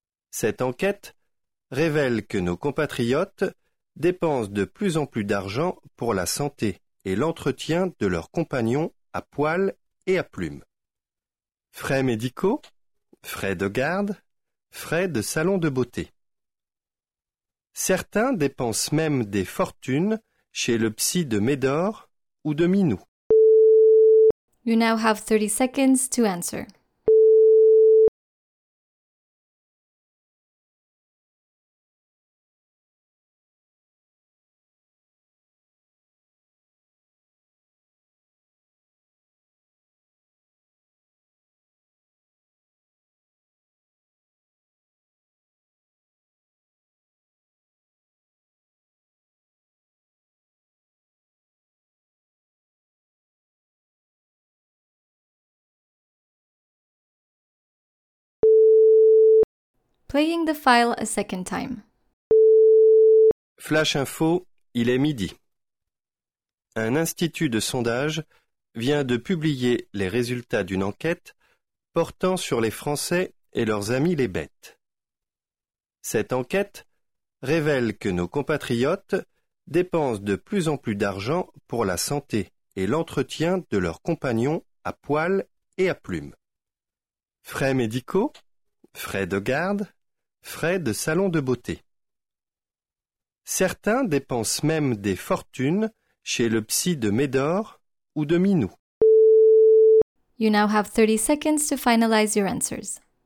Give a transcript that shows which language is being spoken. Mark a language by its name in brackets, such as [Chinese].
[French] Cette enquête révèle que nos compatriotes dépensent de plus en plus d'argent pour la santé et l'entretien de leurs compagnons à poils et à plumes. Frais médicaux, frais de garde, frais de salon de beauté. Certains dépensent même des fortunes chez le psy de Médor ou de Minou. [English] You now have 30 seconds to answer. Playing the file a second time. [French] Flash info, il est midi. Un institut de sondage vient de publier les résultats d'une enquête portant sur les Français et leurs amis les bêtes. Cette enquête révèle que nos compatriotes dépensent de plus en plus d'argent pour la santé et l'entretien de leurs compagnons à poils et à plumes. Frais médicaux, frais de garde, frais de salon de beauté. Certains dépensent même des fortunes chez le psy de Médor ou de Minou. [English] You now have 30 seconds to finalize your answers.